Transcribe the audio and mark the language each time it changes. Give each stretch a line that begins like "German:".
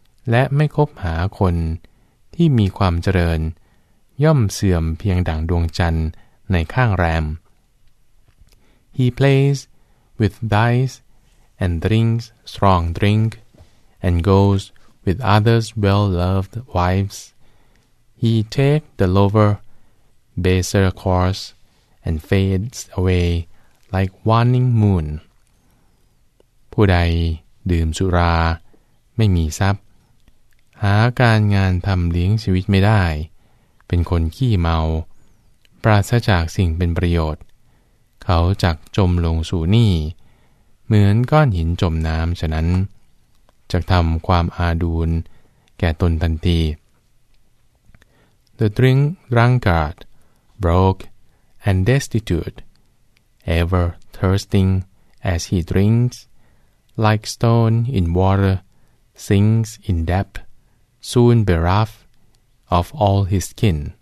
Thai: และไม่คบหาคนที่มีความเจริญย่อมเสื่อมเพียงดั่งดวงจันทร์ในข้างแรม
English: He plays with dice and drinks strong drink and goes with others well-loved wives. He takes the lower, baser course. And fades away like waning moon.
Thai: ผู้ใดดื่มสุราไม่มีทรัพย์หาการงานทำเลี้ยงชีวิตไม่ได้เป็นคนขี้เมา ปราศจากสิ่งเป็นประโยชน์เขาจักจมลงสู่นี่เหมือนก้อนหินจมน้ำฉะนั้นจักทำความอาดูลแก่ตนทันที
English: The drink drunkard brokeAnd destitute, ever thirsting as he drinks, like stone in water, sinks in depth, soon bereft of all his kin.